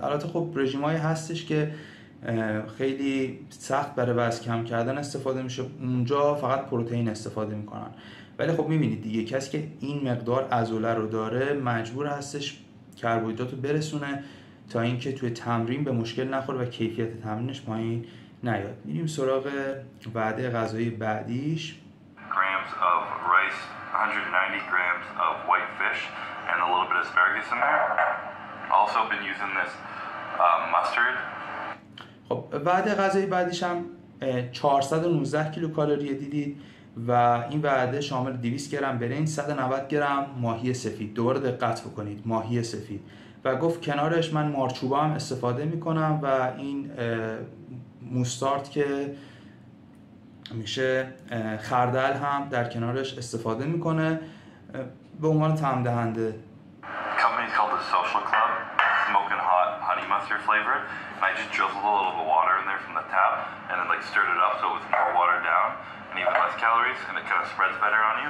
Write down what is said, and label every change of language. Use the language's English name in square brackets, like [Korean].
[Persian] البته خب رژیم هایی هستش که خیلی سخت برای وزن کم کردن استفاده میشه، اونجا فقط پروتئین استفاده میکنن. ولی خب میبینید دیگه کسی که این مقدار عضله رو داره مجبور هستش کربوهیدرات رو برسونه تا اینکه توی تمرین به مشکل نخوره و کیفیت تمرینش پایین نیاد. میریم سراغ وعده غذایی بعدیش. [English] Grams of rice, 190 grams of white fish and a little bit of asparagus in there. Also been using this mustard. [Persian] خب وعده غذایی بعدیش هم 419 کیلوکالری دیدید و این وعده شامل 200 گرم برنج، 190 گرم ماهی سفید. دوباره دقت بکنید، ماهی سفید. و گفت کنارش من مارچوبا هم استفاده میکنم و این موستارد که میشه خردل هم در کنارش استفاده میکنه به عنوان طعم دهنده. [English] Company called the Social Club, smoking hot honey mustard flavor. And I just drizzled a little bit of water in there from the tap and then like stirred it up so it was more water down. And even less calories, and it kind of spreads better on you.